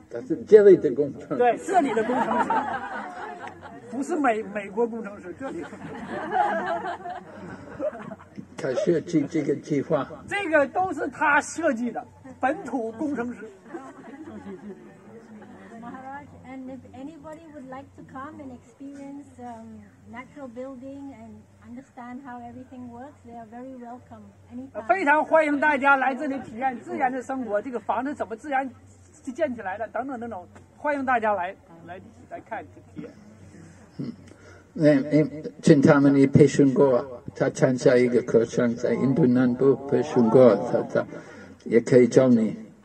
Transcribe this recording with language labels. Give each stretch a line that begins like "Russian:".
Chinese: 他是这里的工程师，对，这里的工程师，不是美国工程师，这里。他设计这个计划，这个都是他设计的，本土工程师。
English: Maharaj, And if anybody would like to come and experience natural building and understand how everything works, they are very welcome. Anytime.
Chinese: 非常欢迎大家来这里体验自然的生活，这个房子怎么自然建起来的等等那种，欢迎大家来看体验。那经常你培训过，他参加一个课程，在印度南部培训过，他也可以教你。